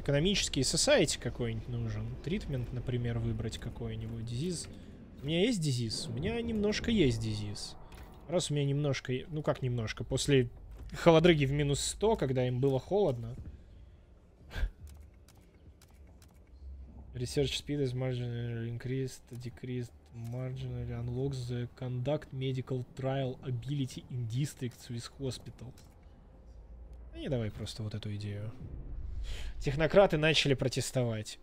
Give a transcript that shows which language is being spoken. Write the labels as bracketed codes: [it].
[ru] Экономический [en] society [ru] какой-нибудь нужен. [en] Treatment, [ru] например, выбрать какой-нибудь. [en] Disease. [ru] У меня есть [en] disease? [ru] У меня немножко есть [en] disease. [ru] Раз у меня немножко... Ну как немножко? После холодрыги в минус 100, когда им было холодно. [en] Research speed is marginally increased, decreased, marginally unlocks the conduct medical trial ability in districts with hospital. [ru] Ну и давай просто вот эту идею. Технократы начали протестовать.